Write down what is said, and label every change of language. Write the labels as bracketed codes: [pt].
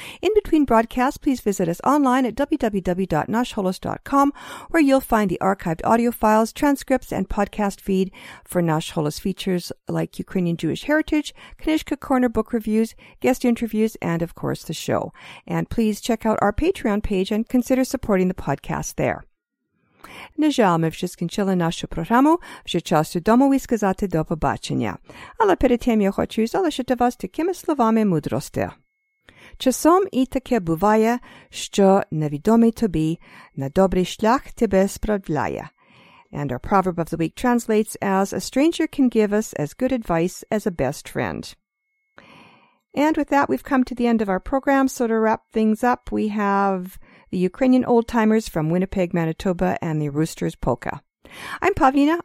[en] In between broadcasts, please visit us online at www.nashholos.com, where you'll find the archived audio files, transcripts, and podcast feed for Nash Holos features like Ukrainian Jewish Heritage, Kanishka Corner Book Review, guest interviews, and of course the show. And please check out our Patreon page and consider supporting the podcast there. [uk] Нажал ми вже скінчили нашу програму, вже час домові сказати до побачення. Але перед тим я хочу залишити вас такими словами мудрости. Часом і таке буває, що невідомий тобі на добрий шлях тебе справляє. [en] And our proverb of the week translates as, a stranger can give us as good advice as a best friend. And with that, we've come to the end of our program. So to wrap things up, we have the Ukrainian Old Timers from Winnipeg, Manitoba, and the Roosters Polka. I'm Pavlina.